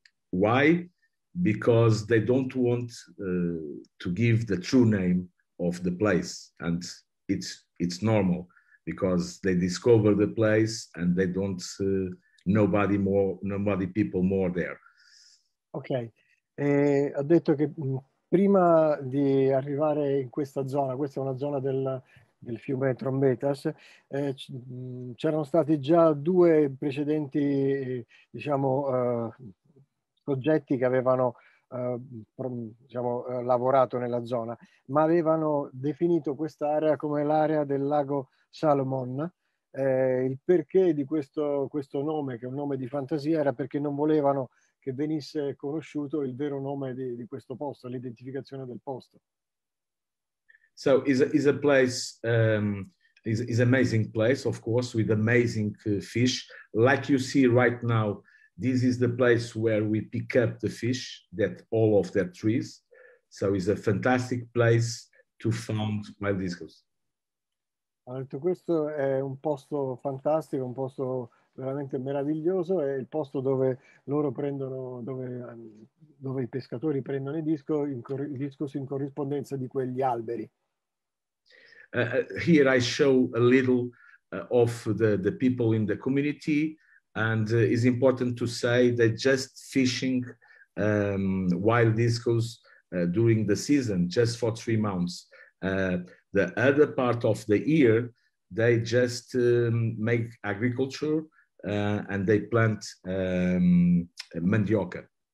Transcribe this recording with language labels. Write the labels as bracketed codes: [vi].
[en] Why? Because they don't want to give the true name of the place, and it's normal. Because they discover the place and they don't nobody more nobody people more there. [it] Ok, ha detto che prima di arrivare in questa zona, questa è una zona del fiume Trombetas, c'erano stati già due precedenti, diciamo, soggetti che avevano diciamo, lavorato nella zona, ma avevano definito quest'area come l'area del lago Salomon. Il perché di questo nome, che è un nome di fantasia, era perché non volevano che venisse conosciuto il vero nome di questo posto, l'identificazione del posto. [en] So is a place is amazing place, of course, with amazing fish. Like you see right now, this is the place where we pick up the fish that all of the trees. So it's a fantastic place to find my discos. [it] Ha detto, questo è un posto fantastico, un posto veramente meraviglioso, è il posto dove loro prendono, dove i pescatori prendono il discus in corrispondenza di quegli alberi. [en] Here I show a little of the people in the community, and it's important to say that just fishing wild discos during the season, just for 3 months. The other part of the year, they just make agriculture and they plant mandioca.